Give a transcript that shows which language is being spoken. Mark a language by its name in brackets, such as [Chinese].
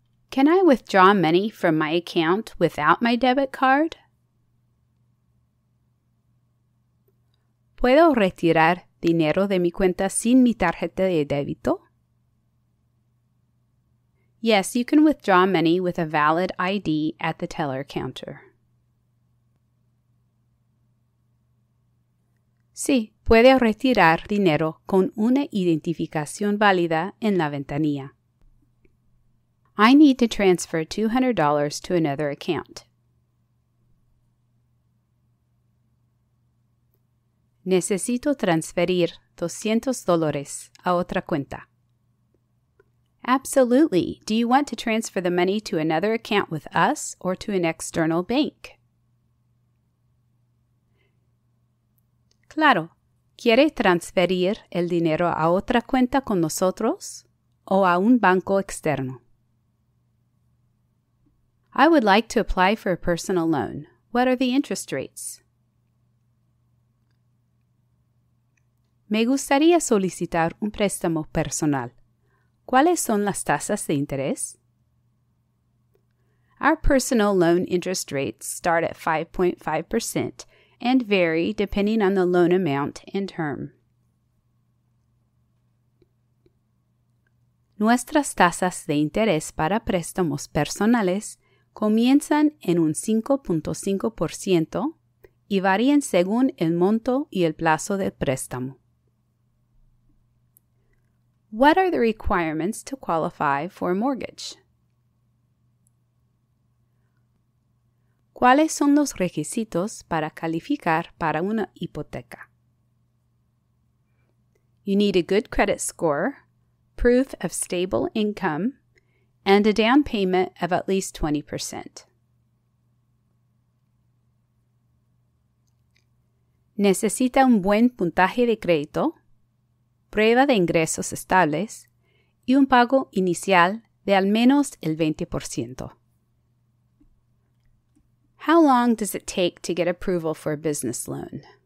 [English] Can I withdraw money from my account without my debit card? [Spanish] ¿Puedo retirar dinero de mi cuenta sin mi tarjeta de débito? [English] Yes, you can withdraw money with a valid ID at the teller counter. [Spanish] Sí, puede retirar dinero con una identificación válida en la ventanilla. [English] I need to transfer $200 to another account. [Spanish] Necesito transferir $200 a otra cuenta. [English] Absolutely. Do you want to transfer the money to another account with us or to an external bank? [Spanish] Claro, ¿quiere transferir el dinero a otra cuenta con nosotros o a un banco externo? [English] I would like to apply for a personal loan. What are the interest rates? [Spanish] Me gustaría solicitar un préstamo personal. ¿Cuáles son las tasas de interés? [English] Our personal loan interest rates start at 5.5% and vary depending on the loan amount and term. [Spanish] Nuestras tasas de interés para préstamos personales comienzan en un 5.5% y varían según el monto y el plazo del préstamo. [English] What are the requirements to qualify for a mortgage? [Spanish] ¿Cuáles son los requisitos para calificar para una hipoteca? [English] You need a good credit score, proof of stable income, and a down payment of at least 20%. [Spanish] Necesita un buen puntaje de crédito, prueba de ingresos estables y un pago inicial de al menos el 20%. [English] How long does it take to get approval for a business loan?